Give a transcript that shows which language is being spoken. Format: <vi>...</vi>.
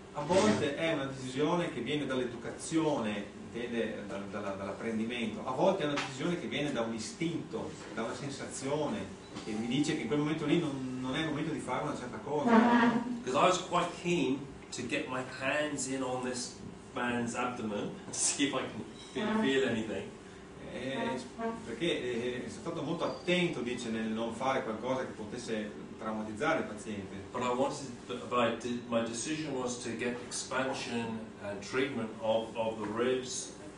<it>A volte è una decisione che viene dall'educazione, intende dall'apprendimento. A volte è una decisione che viene da un istinto, da una sensazione. E mi dice che in quel momento lì non è il momento di fare una certa cosa.</it> <en>Because I was quite keen to get my hands in on this man's abdomen and see if I can feel anything.</en> <it>Perché sono stato molto attento, dice, nel non fare qualcosa che potesse traumatizzare il paziente.</it> <en>But I wanted, my decision was to get expansion and treatment of the ribs.</en>